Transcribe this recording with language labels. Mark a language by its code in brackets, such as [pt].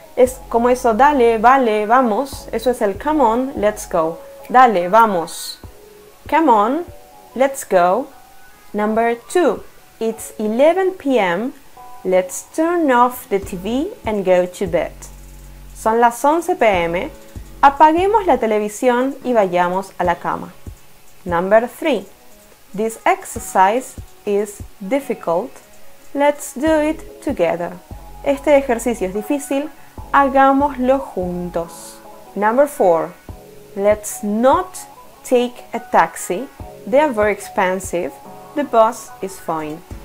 [es] Es como eso, dale, vale, vamos. Eso es el [en] come on, let's go. [es] Dale, vamos. [en] Come on, let's go. Number two, it's 11 p.m., let's turn off the TV and go to bed. [es] Son las 11 p.m., apaguemos la televisión y vayamos a la cama. [en] Number 3. This exercise is difficult, let's do it together. [es] Este ejercicio es difícil, hagámoslo juntos. [en] Number 4. Let's not take a taxi, they are very expensive, the bus is fine.